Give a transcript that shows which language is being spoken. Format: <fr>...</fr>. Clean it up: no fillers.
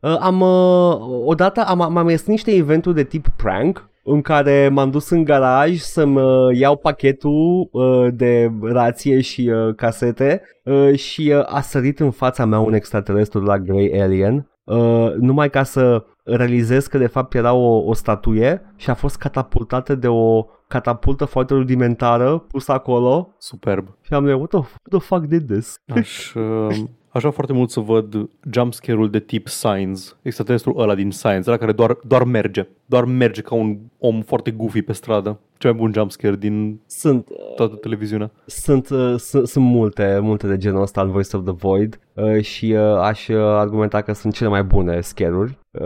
<ro>Am ieșit niște eventuri de tip prank în care m-am dus în garaj să-mi iau pachetul de rație și casete și a sărit în fața mea un extraterestru la Grey Alien numai ca să realizez că de fapt era o statuie și a fost catapultată de o catapultă foarte rudimentară pusă acolo. Superb. Și am zis,</ro> <en>what the fuck did this?</en> <ro>Aș vrea foarte mult să văd jumpscare-ul de tip Signs, extraterestrul ăla din Signs, ăla care doar merge. Doar merge ca un om foarte goofy pe stradă. Cel mai bun jumpscare din toată televiziunea. Sunt multe, multe de genul ăsta în Voice of the Void și aș argumenta că sunt cele mai bune scare-uri.</ro>